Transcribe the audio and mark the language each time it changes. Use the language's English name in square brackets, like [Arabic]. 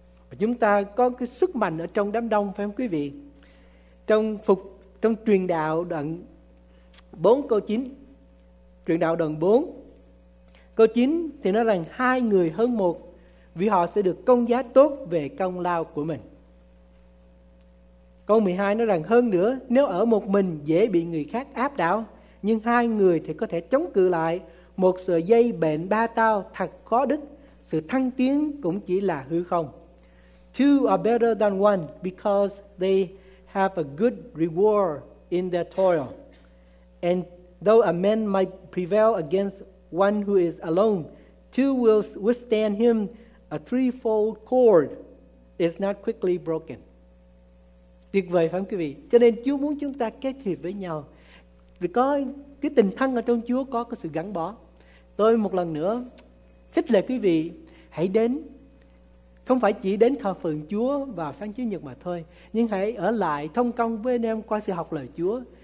[Vietnamese] Và chúng ta có cái sức mạnh ở trong đám đông, phải không quý vị? Trong truyền đạo đoạn 4 câu 9, truyền đạo đoạn 4 câu 9 thì nói rằng hai người hơn một vì họ sẽ được công giá tốt về công lao của mình. Câu 12 nói rằng hơn nữa, nếu ở một mình dễ bị người khác áp đảo, nhưng hai người thì có thể chống cự lại. Một sợi dây bện ba tao thật khó đứt, sự thăng tiến cũng chỉ là hư không. [English] Two are better than one because they have a good reward in their toil. And though a man might prevail against one who is alone, two will withstand him. A threefold cord is not quickly broken. [Vietnamese] Tuyệt vời, phải không quý vị? Cho nên Chúa muốn chúng ta kết hợp với nhau, vì có cái tình thân ở trong Chúa, có sự gắn bó. Tôi một lần nữa khích lệ quý vị hãy đến, không phải chỉ đến thờ phượng Chúa vào sáng Chủ nhật mà thôi, nhưng hãy ở lại thông công với anh em qua sự học lời Chúa.